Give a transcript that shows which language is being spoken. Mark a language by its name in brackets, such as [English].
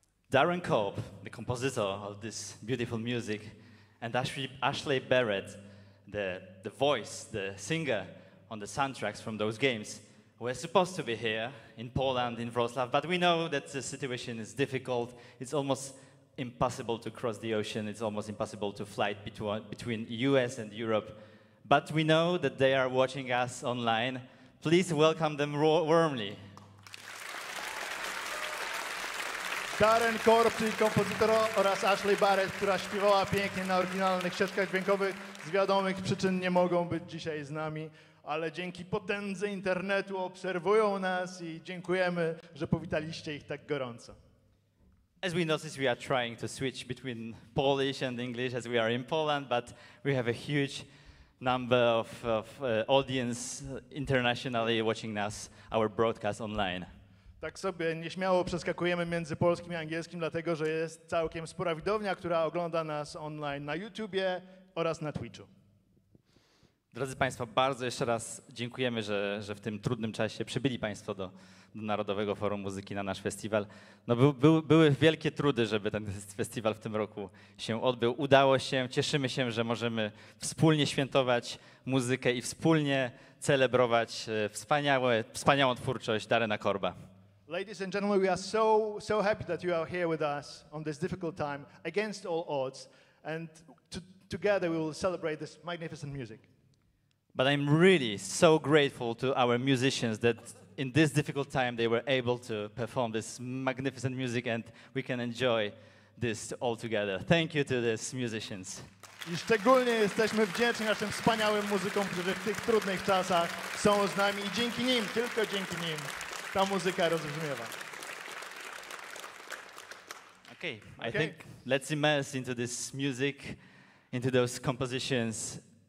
[English] Darren Korb, the compositor of this beautiful music, and Ashley Barrett, the voice, the singer on the soundtracks from those games, were supposed to be here in Poland, in Wrocław, but we know that the situation is difficult. It's almost impossible to cross the ocean. It's almost impossible to fly between US and Europe. But we know that they are watching us online. Please welcome them warmly. [Polish] Darren Korb, czyli kompozytor, oraz Ashley Barrett, która śpiewała pięknie na oryginalnych ścieżkach dźwiękowych, z wiadomych przyczyn nie mogą być dzisiaj z nami, ale dzięki potędze internetu obserwują nas i dziękujemy, że powitaliście ich tak gorąco. [English] As we notice, we are trying to switch between Polish and English as we are in Poland, but we have a huge number of audience internationally watching us, our broadcast online. [Polish] Tak sobie nieśmiało przeskakujemy między polskim i angielskim, dlatego że jest całkiem spora widownia, która ogląda nas online na YouTubie oraz na Twitchu. Drodzy Państwo, bardzo jeszcze raz dziękujemy, że w tym trudnym czasie przybyli Państwo do Narodowego Forum Muzyki na nasz festiwal. No były wielkie trudy, żeby ten festiwal w tym roku się odbył. Udało się, cieszymy się, że możemy wspólnie świętować muzykę i wspólnie celebrować wspaniałą twórczość Darrena Korba. [English] Ladies and gentlemen, we are so happy that you are here with us on this difficult time against all odds, and together we will celebrate this magnificent music. But I'm really so grateful to our musicians that in this difficult time they were able to perform this magnificent music and we can enjoy this all together. Thank you to these musicians. [Polish] I szczególnie jesteśmy wdzięczni naszym wspaniałym muzykom, którzy w tych trudnych czasach są z nami i dzięki nim, tylko dzięki nim, ta muzyka rozbrzmiewa. [English] Okay, I think let's immerse into this music, into those compositions.